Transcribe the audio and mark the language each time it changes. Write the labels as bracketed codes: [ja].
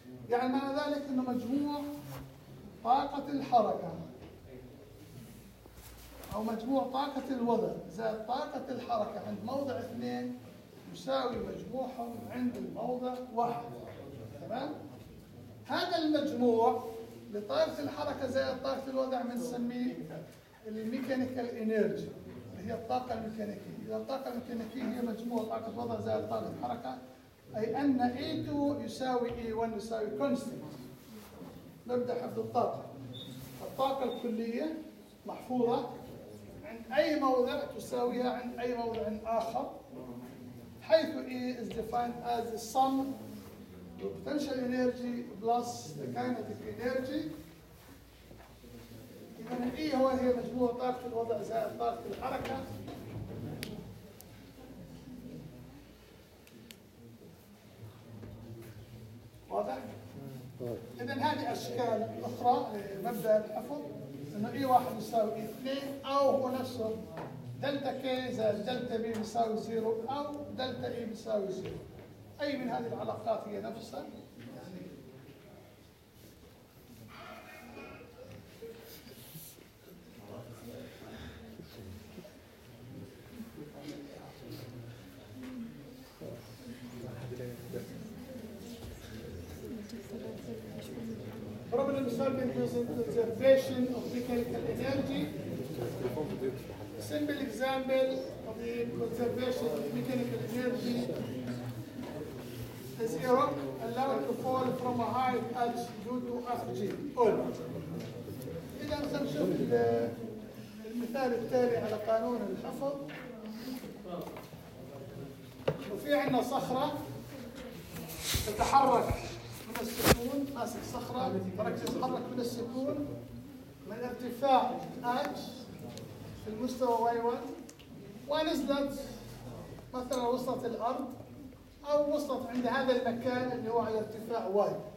[ar] يعني معنى ذلك انه مجموع طاقة الحركة أو مجموع طاقة الوضع زائد طاقة الحركة عند موضع اثنين يساوي مجموعهم عند الموضع واحد, تمام؟ هذا المجموع لطاقة الحركة زائد طاقة الوضع بنسميه الميكانيكال انرجي اللي هي الطاقة الميكانيكية. إذا الطاقة الميكانيكية هي مجموع طاقة الوضع زائد طاقة الحركة أي أن A2 يساوي A1 يساوي constant مبدأ حفظ الطاقة. الطاقة الكلية محفوظة عند أي موضع تساويها عند أي موضع آخر, حيث E [en] is defined as the sum of potential energy plus the kinetic energy. [ar] إذا E هو هي مجموع طاقة الوضع زائد طاقة الحركة. واضح؟ إذا هذه أشكال أخرى لمبدأ الحفظ. إنه إي واحد يساوي إي اثنين أو هو نفسه دلتا كي زائد دلتا بي يساوي زيرو أو دلتا إي يساوي زيرو. أي من هذه العلاقات هي نفسها؟ [en] Problem solving using the observation of mechanical energy. [ar] التليفون بده يطفي. [en] Simple example of conservation mechanical energy is a rock allowed to fall from a high edge due to FG. All. [ar] إذا نشوف المثال التالي على قانون الحفظ. وفي عندنا صخرة تتحرك من السكون، ماسك صخرة تتحرك من السكون من ارتفاع H في المستوى Y1 ونزلت مثلا وصلت الأرض أو وصلت عند هذا المكان اللي هو على ارتفاع Y.